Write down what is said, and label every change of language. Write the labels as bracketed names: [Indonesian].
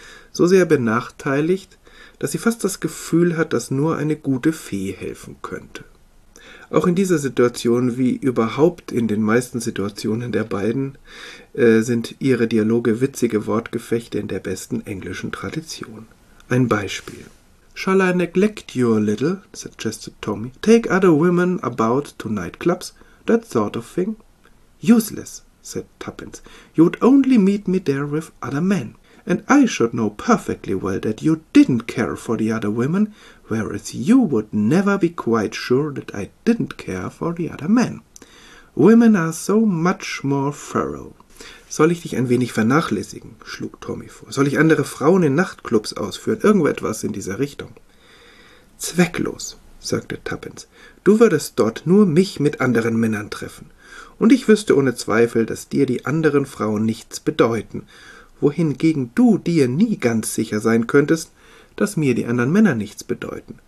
[German] So sehr benachteiligt, dass sie fast das Gefühl hat, dass nur eine gute Fee helfen könnte. Auch in dieser Situation, wie überhaupt in den meisten Situationen der beiden, sind ihre Dialoge witzige Wortgefechte in der besten englischen Tradition. Ein Beispiel. [English] Shall I neglect you a little, suggested Tommy. Take other women about to nightclubs, that sort of thing. Useless, said Tuppence. You'd only meet me there with other men. And I should know perfectly well that you didn't care for the other women, whereas you would never be quite sure that I didn't care for the other men. Women are so much more thorough. [German] Soll ich dich ein wenig vernachlässigen, schlug Tommy vor. Soll ich andere Frauen in Nachtclubs ausführen, irgendetwas in dieser Richtung? Zwecklos, sagte Tuppence. Du würdest dort nur mich mit anderen Männern treffen. Und ich wüsste ohne Zweifel, dass dir die anderen Frauen nichts bedeuten, wohingegen du dir nie ganz sicher sein könntest, dass mir die anderen Männer nichts bedeuten.